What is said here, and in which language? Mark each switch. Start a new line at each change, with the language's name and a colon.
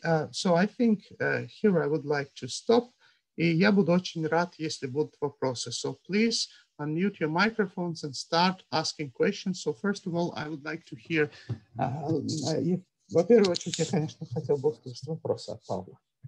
English: So I think here I would like to stop.
Russian: И я буду очень рад, если будут вопросы.
English: So please unmute your microphones and start asking questions. So first of all, I would like to hear.
Russian: Во-первых, очень я, конечно, хотел бы услышать вопросы от Павла.